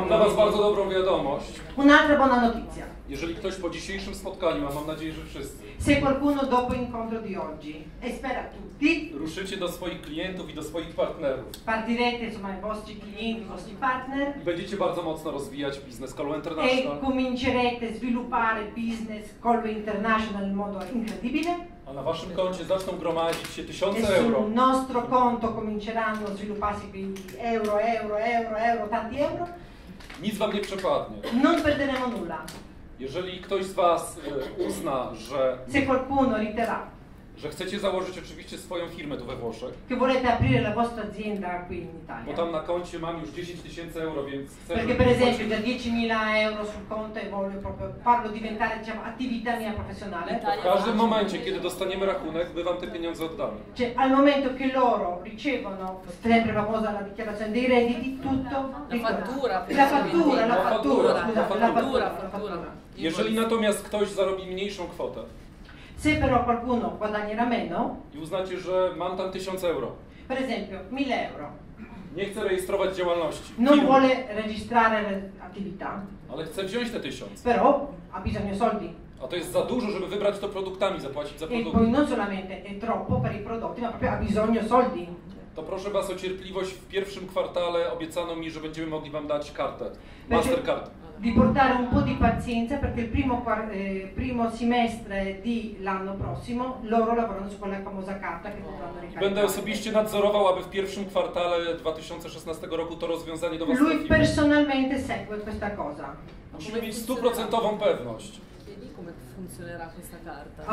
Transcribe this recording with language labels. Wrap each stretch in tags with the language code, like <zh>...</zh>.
<pl>Mam dla was bardzo dobrą wiadomość.</pl> <it>Un'altra buona notizia.</it> <pl>Jeżeli ktoś po dzisiejszym spotkaniu, a mam nadzieję, że wszyscy.</pl> <it>Se qualcuno dopo incontro di oggi, e spera tutti.</it> <pl>Ruszycie do swoich klientów i do swoich partnerów.</pl> <it>Partirete, insomma, i vostri clienti, i vostri partner.</it> <pl>I będziecie bardzo mocno rozwijać biznes Colo International.</pl> <it>E comincerete a sviluppare business Colo International in modo incredibile.</it> <pl>A na waszym koncie zaczną gromadzić się tysiące euro.</pl> <it>Sul nostro conto cominceranno a svilupparsi euro, tanti euro.</it> <pl>Nic wam nie przepadnie.</pl> <it>Non perderemo nulla.</it> <pl>Jeżeli ktoś z was uzna, że</pl> <it>se qualcuno riterrà,</it> <pl>że chcecie założyć oczywiście swoją firmę tu we Włoszech,</pl> <it>che volete aprire la vostra azienda qui in Italia,</it> <pl>bo tam na koncie mam już 10 tysięcy euro, więc chcę,</pl> <it>perché per esempio già 10.000 euro sul conto e voglio proprio farlo diventare, diciamo, attività mia professionale.</it> <pl>W każdym momencie, kiedy dostaniemy rachunek, my wam te pieniądze oddamy.</pl> <it>Cioè, al momento che loro ricevono, sempre famosa la dichiarazione dei redditi, tutto la fattura.</it> <pl>Jeżeli natomiast ktoś zarobi mniejszą kwotę,</pl> <it>se però qualcuno guadagni meno,</it> <pl>i uznacie, że mam tam 1000 euro,</pl> <it>per esempio 1000 euro,</it> <pl>nie chcę rejestrować działalności,</pl> <it>non vuole registrare attività,</it> <pl>ale chcę wziąć te 1000,</pl> <it>però ha bisogno soldi,</it> <pl>a to jest za dużo, żeby wybrać to produktami, zapłacić za produkt,</pl> <it>e poi non solamente è troppo per i prodotti, ma proprio ha bisogno soldi.</it> <pl>To proszę was o cierpliwość, w pierwszym kwartale obiecano mi, że będziemy mogli wam dać kartę, Mastercard.</pl> <it>Di portare un po' di pazienza, perché il primo semestre di l'anno prossimo loro lavorano su quella famosa carta che potranno ricaricare.</it> <pl>Będę osobiście nadzorował, aby w pierwszym kwartale 2016 roku to rozwiązanie do was trafiło.</pl> <it>Lui personalmente segue questa cosa.</it> <pl>Musimy mieć stuprocentową pewność.</pl> <it>Come funzionerà questa carta?</it>